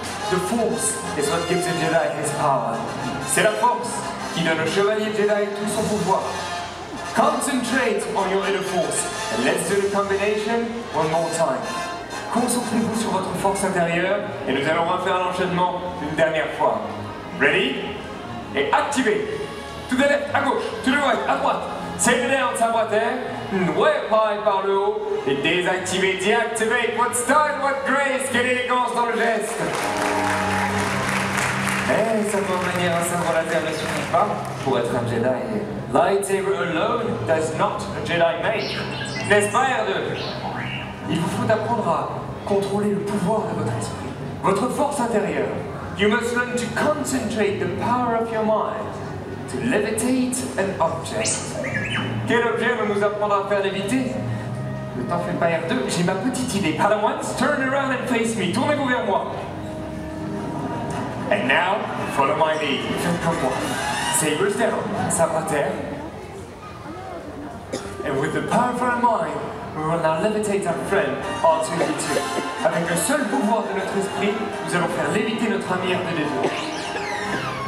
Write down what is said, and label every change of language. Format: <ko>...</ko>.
<en>The Force is what gives the Jedi his power.</en> <fr>C'est la Force qui donne au chevalier Jedi tout son pouvoir.</fr> <en>Concentrate on your inner force. Let's do the combination one more time.</en> <fr>Concentrez-vous sur votre force intérieure et nous allons refaire l'enchaînement une dernière fois.</fr> <en>Ready?</en> <fr>Et activez.</fr> <en>To the left,</en> <fr>à gauche,</fr> <en>to the right,</en> <fr>à droite.</fr> <en>Take it down,</en> <fr>tabouate. Ouais, pareil par le haut. Et désactivez,</fr> <en>deactivate. What style, what grace,</en> <fr>quelle élégance dans le geste. Eh, ça peut en manier un sabre laser, mais ce n'est pas pour être un Jedi.</fr> <en>Lightsaber alone does not a Jedi make.</en> <fr>N'est-ce pas,</fr> <en>R2?</en> <fr>Il vous faut apprendre à contrôler le pouvoir de votre esprit, votre force intérieure.</fr> <en>You must learn to concentrate the power of your mind to levitate an object.</en> <fr>Quel objet va nous apprendre à faire léviter? Ne t'en fais pas, R2, j'ai ma petite idée.</fr> <en>Padawans, turn around and face me.</en> <fr>Tournez-vous vers moi.</fr> <en>And now, follow my lead.</en> <fr>Faites comme moi.</fr> <en>Sabres down,</en> <fr>sabre à terre.</fr> <en>And with the power of our mind, we will now levitate our friend, R2-D2.</en> <fr>Avec le seul pouvoir de notre esprit, nous allons faire léviter notre ami R2-D2.</fr>